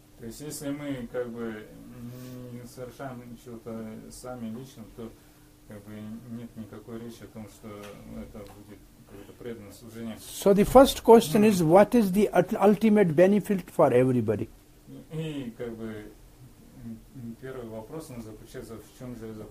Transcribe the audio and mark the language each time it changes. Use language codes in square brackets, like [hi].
[ru] То есть, если мы, как бы, не совершаем ничего-то сами лично, то, как бы, нет никакой речи о том, что это будет какое-то преданное служение. [en] So the first question is, what is the ultimate benefit for everybody? [ru] И, как бы, первый вопрос, он заключается, в чем же это?